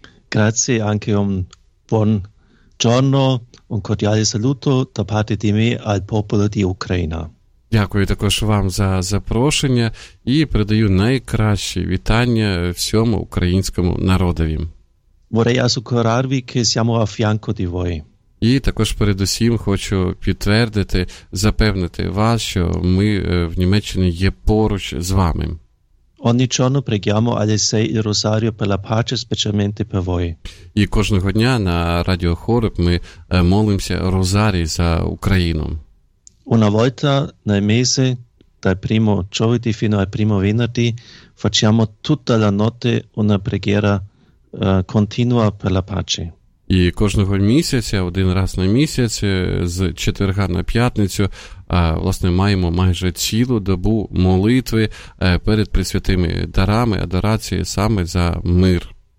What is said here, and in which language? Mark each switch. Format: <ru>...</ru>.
<it>Грація, анке ом Buongiorno, un cordiale saluto da parte di me al popolo di Ucraina.</it> <uk>Дякую також вам за запрошення і передаю найкращі вітання всьому українському народові.</uk> <it>Vorrei assicurarvi che siamo a fianco di voi.</it> <uk>І також передусім хочу підтвердити, запевнити вас, що ми в Німеччині є поруч з вами.</uk> <it>Ogni giorno preghiamo alle sei il rosario per la pace, specialmente per voi.</it> <uk>І кожного дня на Радіо Хореб ми молимося розарій за Україну.</uk> <it>Una volta nel mese, dal primo giovedì fino al primo venerdì, facciamo tutta la notte una preghiera continua per la pace.</it> <uk>І кожного місяця, один раз на місяць, з четверга на п'ятницю, власне, маємо майже цілу добу молитви перед пресвятими дарами, адорації саме за мир.</uk>